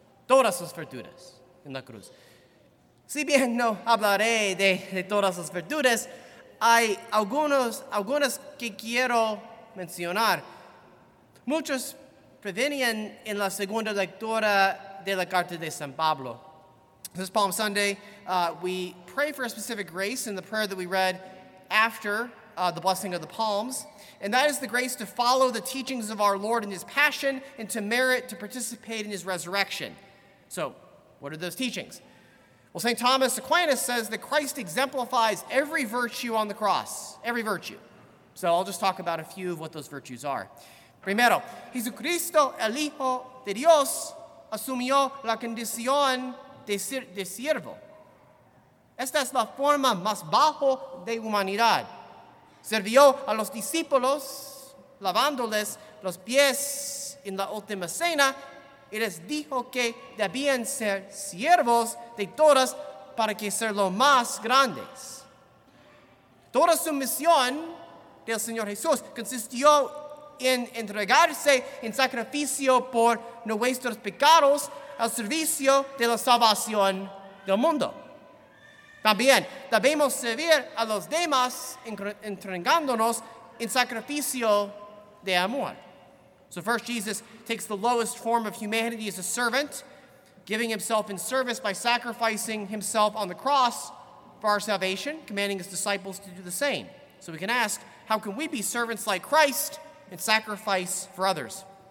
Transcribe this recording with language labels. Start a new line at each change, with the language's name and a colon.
Spanish: Todas las virtudes en la cruz. Si bien no hablaré de todas las virtudes, hay algunas que quiero mencionar. Muchos provenían en la segunda lectura de la carta de San Pablo.
English: This Palm Sunday, we pray for a specific grace in the prayer that we read after the blessing of the palms, and that is the grace to follow the teachings of our Lord in his passion and to merit to participate in his resurrection. So, what are those teachings? Well, St. Thomas Aquinas says that Christ exemplifies every virtue on the cross, every virtue. So I'll just talk about a few of what those virtues are.
Spanish: Primero, Jesucristo, el Hijo de Dios, asumió la condición de siervo. Esta es la forma más bajo de humanidad. Sirvió a los discípulos, lavándoles los pies en la última cena, y les dijo que debían ser siervos de todos para que ser los más grandes. Toda su misión del Señor Jesús consistió en entregarse en sacrificio por nuestros pecados al servicio de la salvación del mundo. También debemos servir a los demás entregándonos en sacrificio de amor.
English: So first Jesus takes the lowest form of humanity as a servant, giving himself in service by sacrificing himself on the cross for our salvation, commanding his disciples to do the same. So we can ask, how can we be servants like Christ and sacrifice for others?